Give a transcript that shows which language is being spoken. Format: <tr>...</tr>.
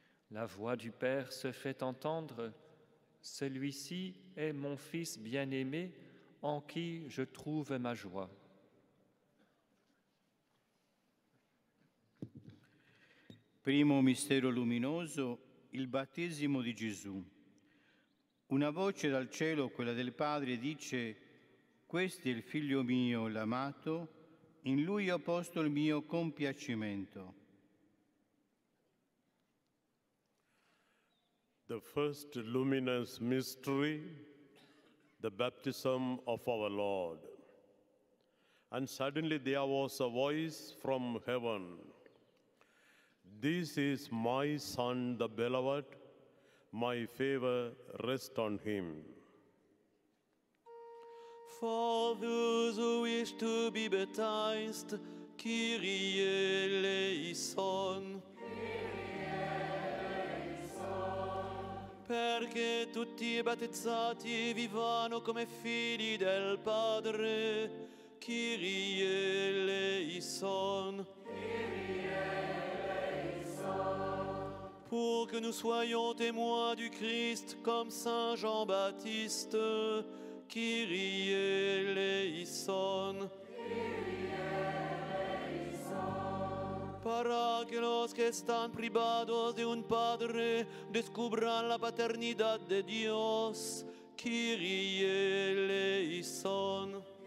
<fr>La voix du Père se fait entendre, « Celui-ci est mon Fils bien-aimé, en qui je trouve ma joie. »</fr> <it>Primo mistero luminoso, il battesimo di Gesù. Una voce dal cielo, quella del Padre, dice: Questo è il Figlio mio, l'amato, in lui ho posto il mio compiacimento.</it> <en>The first luminous mystery, the baptism of our Lord. And suddenly there was a voice from heaven. This is my son, the beloved, my favor rests on him. For those who wish to be baptized, Kyrie eleison.</en> <it>Perché tutti i battezzati vivano come figli del Padre, Kyrie eleison.</it> <fr>Pour que nous soyons témoins du Christ comme Saint Jean-Baptiste, Kyrie eleison.</fr> <es>Para que los que están privados de un padre descubran la paternidad de Dios, Kyrie eleison.</es>